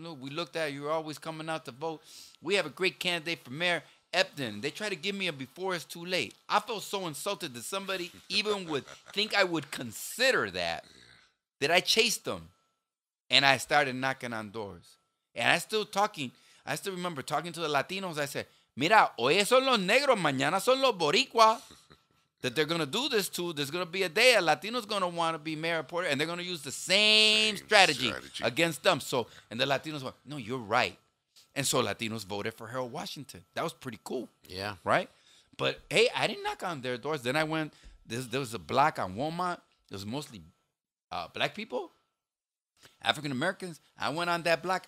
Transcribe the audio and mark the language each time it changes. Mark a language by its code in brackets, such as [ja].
[en] We looked at you're always coming out to vote. We have a great candidate for mayor, Epton. They tried to give me a before it's too late. I felt so insulted that somebody even would think I would consider that I chased them, and I started knocking on doors. And I still remember talking to the Latinos. [es] I said, mira, hoy son los negros, mañana son los boricua. [en] That they're going to do this too. There's going to be a day a Latino's going to want to be mayor of Porter, and they're going to use the same strategy against them. So, and the Latinos went, no, you're right. And so Latinos voted for Harold Washington. That was pretty cool. Yeah. Right? But, hey, I didn't knock on their doors. Then I went. There was a block on Walmart. It was mostly black people, African-Americans. I went on that block.